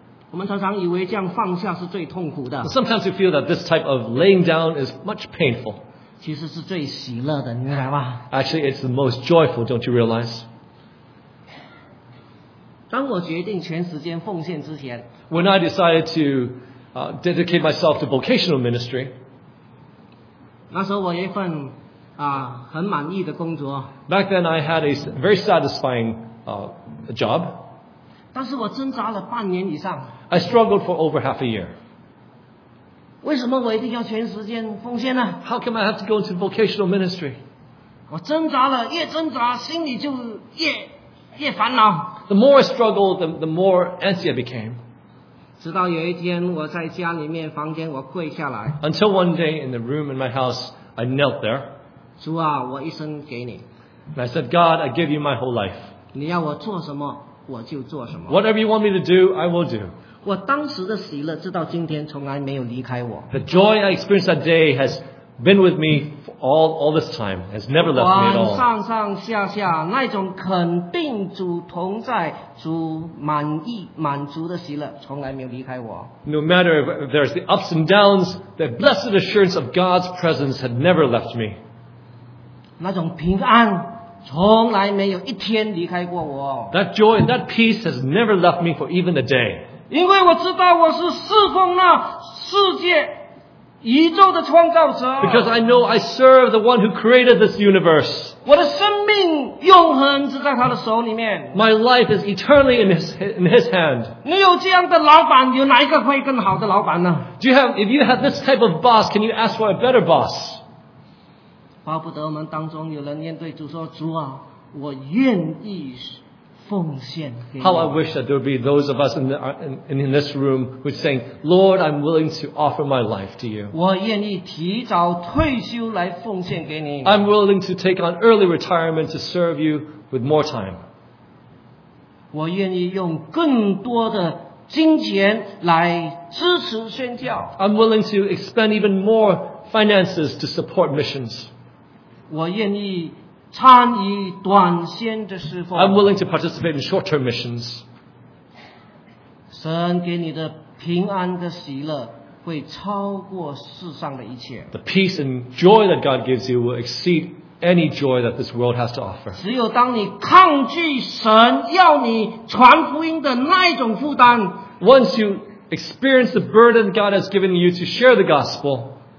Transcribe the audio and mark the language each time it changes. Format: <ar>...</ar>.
<zh>我们常常以为这样放下是最痛苦的。</zh> <en>Sometimes you feel that this type of laying down is much painful.</en> <zh>其实是最喜乐的，你明白吗？</zh> <en>Actually, it's the most joyful, don't you realize?</en> <zh>当我决定全时间奉献之前，</zh> <en>When I decided to dedicate myself to vocational ministry,</en> <zh>那时候我有一份很满意的工作。</zh> <en>Back then, I had a very satisfying job.</en> <zh>但是我挣扎了半年以上。</zh> <en>I struggled for over half a year.</en> <zh>为什么我一定要全时间奉献呢？</zh> <en>How come I have to go into vocational ministry?</en> <zh>我挣扎了，越挣扎，心里就越烦恼。</zh> <en>The more I struggled, the more antsy I became.</en> <zh>直到有一天，我在家里面房间，我跪下来。</zh> <en>Until one day in the room in my house, I knelt there.</en> <zh>主啊，我一生给你。</zh> <en>And I said, God, I give you my whole life.</en> <zh>你要我做什么？我就做什么。</zh> <en>Whatever you want me to do, I will do.</en> <zh>我当时的喜乐直到今天从来没有离开我。</zh> <en>The joy I experienced that day has been with me for all this time, has never left me at all.</en> <zh>往上上下下那种肯定主同在主满意满足的喜乐从来没有离开我。</zh> <en>No matter if there's the ups and downs, the blessed assurance of God's presence had never left me.</en> <zh>那种平安从来没有一天离开过我。</zh> <en>That joy and that peace has never left me for even a day.</en> <zh>因为我知道我是侍奉那世界宇宙的创造者。</zh> <en>Because I know I serve the one who created this universe.</en> <zh>我的生命永恒是在他的手里面。</zh> <en>My life is eternally in his hand.</en> <zh>你有这样的老板，有哪一个会更好的老板呢？</zh> <en>If you have this type of boss, can you ask for a better boss?</en> <zh>巴不得我们当中有人面对主说：“主啊，我愿意奉献给你。”</zh> <en>How I wish that there would be those of us in this room who are saying, "Lord, I'm willing to offer my life to you."</en> <zh>我愿意提早退休来奉献给你。</zh> <en>I'm willing to take on early retirement to serve you with more time.</en> <zh>我愿意用更多的金钱来支持宣教。</zh> <en>I'm willing to expend even more finances to support missions.</en> <zh>我愿意参与短线的侍奉。</zh> <en>I'm willing to participate in short-term missions.</en> <zh>神给你的平安和喜乐会超过世上的一切。</zh> <en>The peace and joy that God gives you will exceed any joy that this world has to offer.</en> <zh>只有当你抗拒神要你传福音的那一种负担。</zh> <en>Once you experience the burden God has given you to share the gospel.</en>